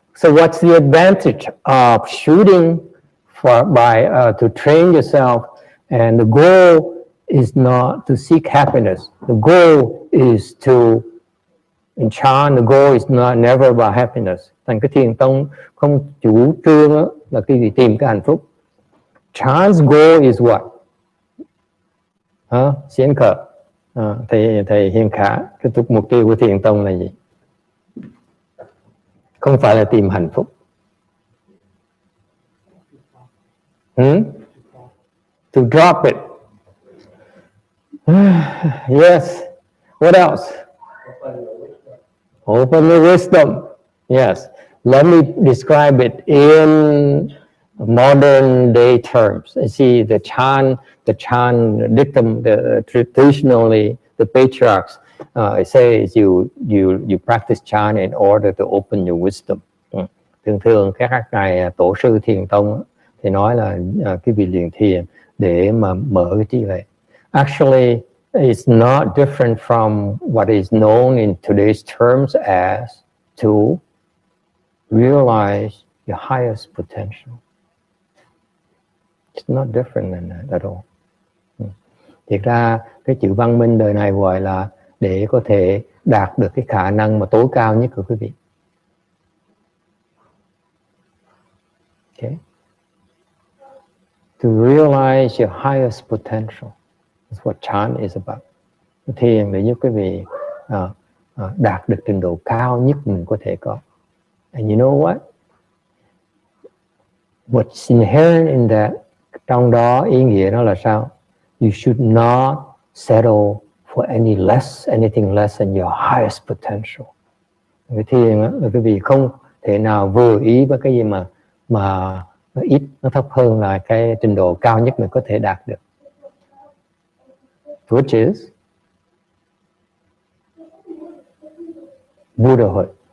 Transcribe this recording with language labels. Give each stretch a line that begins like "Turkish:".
English: So what's the advantage of shooting to train yourself? And the goal is not to seek happiness. The goal is to, in Chan, the goal is not never about happiness.
Vietnamese: Thành cái thiền tông không chủ trương là cái gì tìm cái hạnh phúc.
English: Chan's goal is what?
Vietnamese: Xuyên khở. Thầy Hiền Khả, cái mục tiêu của thiền tông là gì? Không phải là tìm hạnh phúc.
English: To drop it. Yes. What else? Open the wisdom. Yes. Let me describe it in modern day terms. You see, the Chan dictum, traditionally the patriarchs says you practice Chan in order to open your wisdom.
Vietnamese: Thường thường các ngài tổ sư thiền tông thì nói là cái vị luyện thiền để mà mở cái trí huệ.
English: Actually, it's not different from what is known in today's terms as to realize your highest potential. It's not different than that at all.
Vietnamese: Thực ra cái chữ văn minh đời này gọi là để có thể đạt được cái khả năng mà tối cao nhất của quý vị.
English: Okay. To realize your highest potential. That's what chan is about.
Vietnamese: Thiền để giúp quý vị đạt được trình độ cao nhất mình có thể có.
English: And you know what? What's inherent in that,
Vietnamese: trong đó ý nghĩa đó là sao?
English: You should not settle for anything less than your highest potential.
Vietnamese: Thiền là quý vị không thể nào vừa ý với cái gì mà nó ít, nó thấp hơn là cái trình độ cao nhất mình có thể đạt được.
English: Which is Buddhahood.